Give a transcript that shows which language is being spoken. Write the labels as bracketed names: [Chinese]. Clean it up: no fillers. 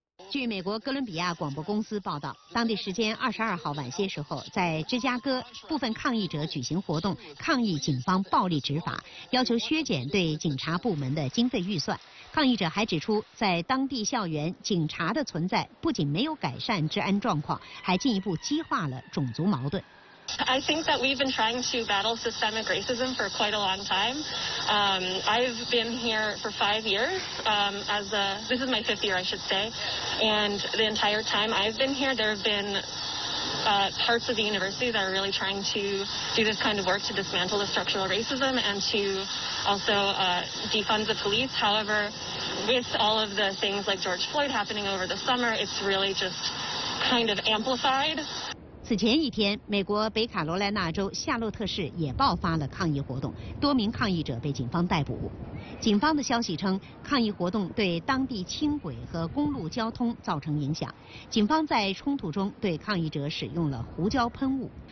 [Chinese] 据美国哥伦比亚广播公司报道，当地时间22号晚些时候，在芝加哥，部分抗议者举行活动，抗议警方暴力执法，要求削减对警察部门的经费预算。抗议者还指出，在当地校园，警察的存在不仅没有改善治安状况，还进一步激化了种族矛盾。 [English] I think that we've been trying to battle systemic racism for quite a long time. I've been here for 5 years, this is my fifth year, I should say. And the entire time I've been here, there have been, parts of the university that are really trying to do this kind of work to dismantle the structural racism and to also, defund the police. However, with all of the things like George Floyd happening over the summer, it's really just kind of amplified. [Chinese] 此前一天，美国北卡罗来纳州夏洛特市也爆发了抗议活动，多名抗议者被警方逮捕。警方的消息称，抗议活动对当地轻轨和公路交通造成影响。警方在冲突中对抗议者使用了胡椒喷雾。